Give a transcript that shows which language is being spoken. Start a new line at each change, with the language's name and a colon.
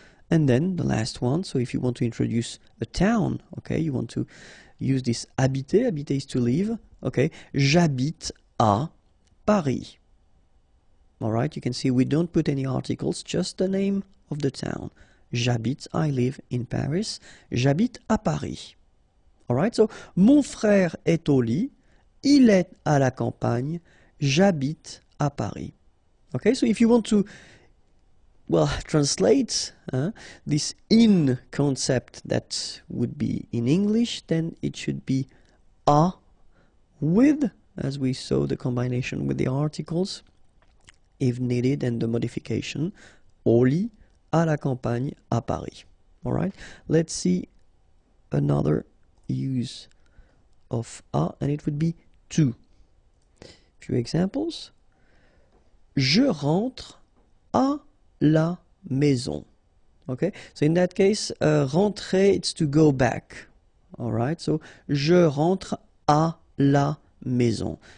English: And then the last one, so if you want to introduce a town, okay, you want to use this habiter, habiter is to live, okay?
French: J'habite à Paris.
English: All right, you can see we don't put any articles, just the name of the town.
French: J'habite,
English: I live in Paris.
French: J'habite à Paris.
English: All right, so
French: mon frère est au lit. Il est à la campagne. J'habite à Paris.
English: Okay, so if you want to, well, translate this in concept that would be in English, then it should be à with, as we saw, the combination with the articles, if needed, and the modification,
French: au lit, à la campagne, à Paris.
English: All right, let's see another use of à, and it would be to. A few examples.
French: Je rentre à la maison.
English: Okay, so in that case, rentrer, it's to go back. All right, so
French: je rentre à la maison.